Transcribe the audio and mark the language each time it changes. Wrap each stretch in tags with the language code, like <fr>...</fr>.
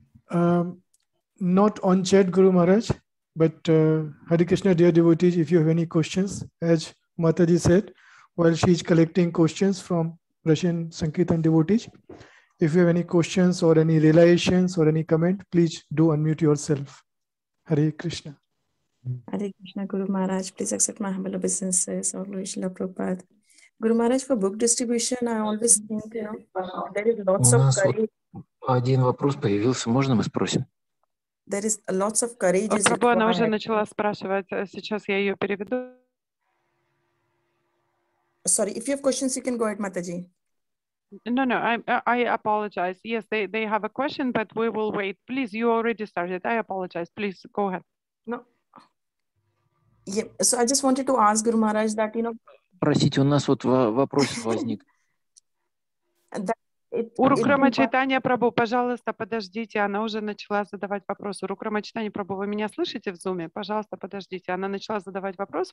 <en>Not on chat, Guru Maharaj, but Hare Krishna, dear devotees, if you have any questions, as Mataji said, while she is collecting questions from Russian Sankirtana devotees, if you have any questions or any realizations or any comment, please do unmute yourself. Hare Krishna. Hare Krishna, Guru Maharaj, please accept my humble obeisances. All wish Srila Prabhupada. Guru Maharaj, for book distribution, I always think, you know, there is lots of courage.</en> <ru>Один вопрос появился, можно мы спросим?</ru> <en>There is lots of courage.</en> <ru>Она уже начала спрашивать, сейчас я ее переведу.</ru> <en>Sorry, if you have questions, you can go ahead, Mataji. No, I apologize. Yes, they have a question, but we will wait. Please, you already started. I apologize. Please, go ahead. No. Yeah, so I just wanted to ask Guru Maharaj that, you know,</en> <ru>простите, у нас вот вопрос возник. Урукрама Чайтанья Прабху, пожалуйста, подождите. Она уже начала задавать вопрос. Урукрама Чайтанья Прабху, вы меня слышите в зуме? Пожалуйста, подождите. Она начала задавать вопрос.</ru>